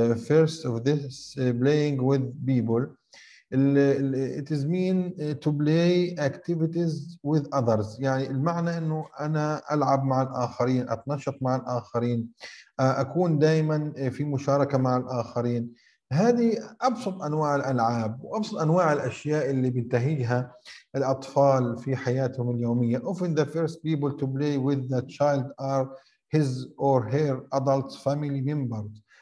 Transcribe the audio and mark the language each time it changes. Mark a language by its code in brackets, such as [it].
[en] First of this, playing with people. It is mean to play activities with others. [ar] يعني المعنى أنه أنا ألعب مع الآخرين، أتنشط مع الآخرين، أكون دائما في مشاركة مع الآخرين. هذه أبسط أنواع الألعاب وأبسط أنواع الأشياء اللي بنتهجها الأطفال في حياتهم اليومية. [en] Often the first people to play with the child are his or her adult family members.